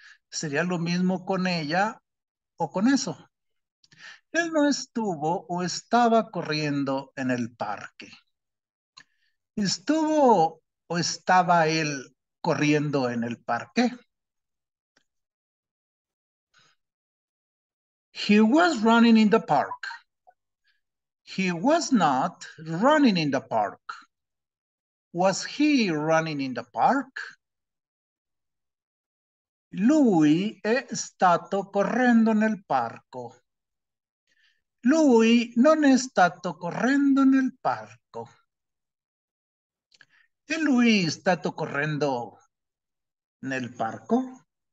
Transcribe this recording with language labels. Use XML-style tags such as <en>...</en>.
<es>Sería lo mismo con ella o con eso. Él no estuvo o estaba corriendo en el parque. ¿Estuvo o estaba él corriendo en el parque?</es> <en>He was running in the park. He was not running in the park. Was he running in the park?</en> <it>Lui è stato correndo nel parco. Lui non è stato correndo nel parco. E lui è stato correndo nel parco?</it>